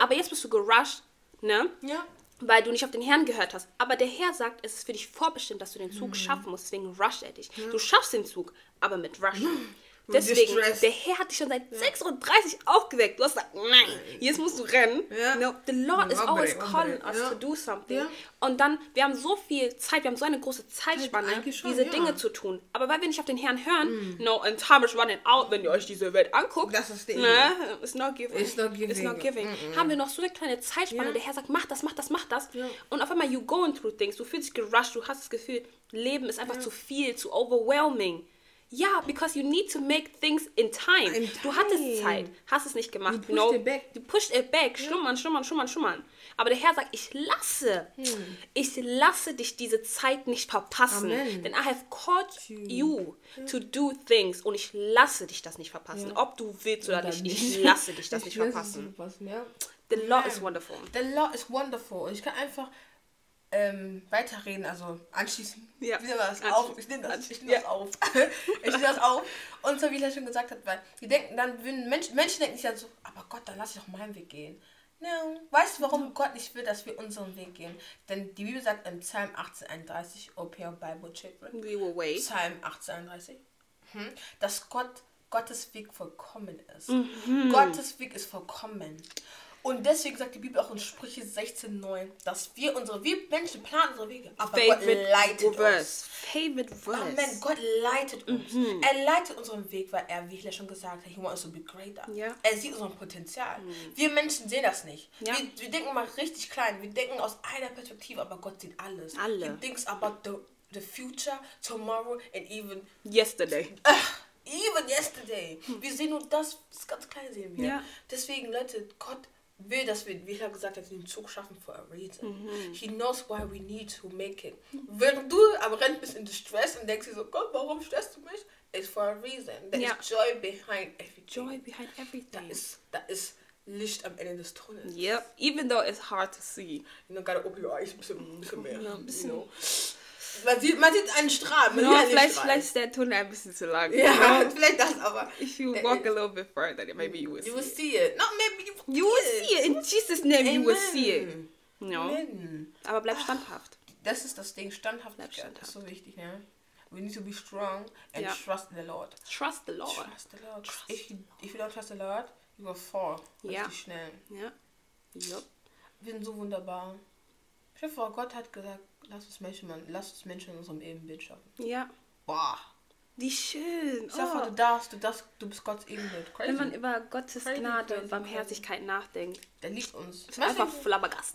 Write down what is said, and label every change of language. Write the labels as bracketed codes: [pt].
[de] Aber jetzt bist du gerusht, ne? Ja. Weil du nicht auf den Herrn gehört hast. Aber der Herr sagt, es ist für dich vorbestimmt, dass du den Zug schaffen musst. Deswegen rusht er dich. Ja. Du schaffst den Zug, aber mit Rush. Ja. Deswegen, der Herr hat dich schon seit 6.30 Uhr aufgeweckt. Du hast gesagt, nein, jetzt musst du rennen. Yeah. [en] No, the Lord is always calling us to do something. Yeah. [de] Und dann, wir haben so viel Zeit, wir haben so eine große Zeitspanne, diese Dinge zu tun. Aber weil wir nicht auf den Herrn hören, [en] no, and time is running out, [de] wenn ihr euch diese Welt anguckt. Das ist [en] It's not giving. [de] Haben wir noch so eine kleine Zeitspanne, der Herr sagt, mach das. Yeah. Und auf einmal, [en] you going through things, [de] du fühlst dich gerusht, du hast das Gefühl, Leben ist einfach zu viel, zu overwhelming. [en] Ja, because you need to make things in time. [de] Du hattest Zeit, hast es nicht gemacht. [en] You pushed it back. [de] Schlummern. Aber der Herr sagt, ich lasse dich diese Zeit nicht verpassen. Amen. Denn [en] I have called you to do things. [de] Und ich lasse dich das nicht verpassen. Ja. Ob du willst oder nicht, ich lasse dich das nicht verpassen. Ja. [en] The law is wonderful. The law is wonderful. [de] Und ich kann einfach weiterreden, also anschließen. Ja. Wie das auf? Ich nehme das, auf. Ich nehme das auf. Und so wie ich ja schon gesagt habe, weil die denken dann, Menschen denken sich dann so, aber Gott, dann lass ich doch meinen Weg gehen. No. Weißt du, warum Gott nicht will, dass wir unseren Weg gehen? Denn die Bibel sagt in Psalm 18,31, [en] Opera Bible Children. We will wait. [de] Psalm 18,31. Dass Gottes Weg vollkommen ist. Mm-hmm. Gottes Weg ist vollkommen. Und deswegen sagt die Bibel auch in Sprüche 16,9, dass wir Menschen planen unsere Wege. Aber Gott leitet uns. [en] Favorite verse. [de] Amen. Gott leitet uns. Mm-hmm. Er leitet unseren Weg, weil er, wie ich ja schon gesagt habe, [en] he wants to be greater. Yeah. [de] Er sieht unser Potenzial. Mm. Wir Menschen sehen das nicht. Yeah. Wir denken mal richtig klein. Wir denken aus einer Perspektive, aber Gott sieht alles. Alle. [en] He thinks about the future, tomorrow and even yesterday. Even yesterday. [de] Wir sehen nur das ganz kleine sehen wir. Yeah. Deswegen, Leute, Gott will, dass wir, wie er gesagt hat, den Zug schaffen [en] for a reason. Mm-hmm. He knows why we need to make it. [de] Wenn du am Rennen bist in Distress und denkst dir so, Gott, warum stresst du mich? [en] It's for a reason. There is joy behind everything. Joy behind everything. [de] Da ist Licht am Ende des Tunnels. [en] Yep. Even though it's hard to see. You know, gotta open your eyes [de] ein bisschen mehr. Ja, ein bisschen. [en] You know? [de] Man sieht einen Strahl. No, vielleicht ist der Tunnel ein bisschen zu lang. Ja, [en] yeah, you know? [de] Vielleicht das aber. [en] If you walk a little bit further, then maybe you will see it. Not maybe you. You will see it, in Jesus' name, Amen. You will see it. No. [de] Aber bleib standhaft. Das ist das Ding, standhaft. Bleib standhaft. Das ist so wichtig, ne? [en] We need to be strong and trust in the Lord. Trust the Lord. Trust the Lord. If you don't trust the Lord, you will fall. [de] Richtig schnell. Ja. Yep. Wir sind so wunderbar. Ich hoffe, Gott hat gesagt, lass uns Menschen in unserem Ebenbild schaffen. Ja. Boah. Wie schön. Ich hoffe, du darfst, du bist Gottes Ebenbild. [en] Crazy. [de] Wenn man über Gottes Gnade und Barmherzigkeit nachdenkt. Der liebt uns. Ist einfach flabbergast.